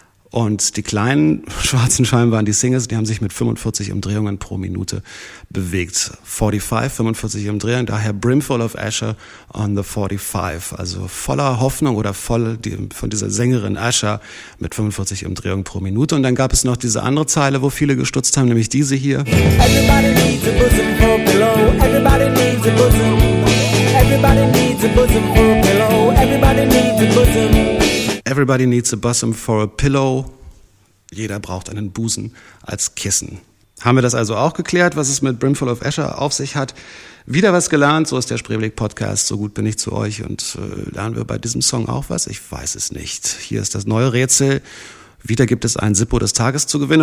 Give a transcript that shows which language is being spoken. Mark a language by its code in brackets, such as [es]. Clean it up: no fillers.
[de] Und die kleinen schwarzen Scheiben waren die Singles, die haben sich mit 45 Umdrehungen pro Minute bewegt. 45, 45 Umdrehungen, daher Brimful of Asher on the 45. Also voller Hoffnung oder voll von dieser Sängerin Asher mit 45 Umdrehungen pro Minute. Und dann gab es noch diese andere Zeile, wo viele gestutzt haben, nämlich diese hier. [en] Everybody needs a bosom for pillow, everybody needs a bosom. Everybody needs a bosom for pillow, everybody needs a bosom. Everybody needs a bosom for a pillow. [de] Jeder braucht einen Busen als Kissen. Haben wir das also auch geklärt, was es mit Brimful of Asher auf sich hat? Wieder was gelernt, so ist der Spreeblick-Podcast, so gut bin ich zu euch. Und lernen wir bei diesem Song auch was? Ich weiß es nicht. Hier ist das neue Rätsel. Wieder gibt es ein Sippo des Tages zu gewinnen.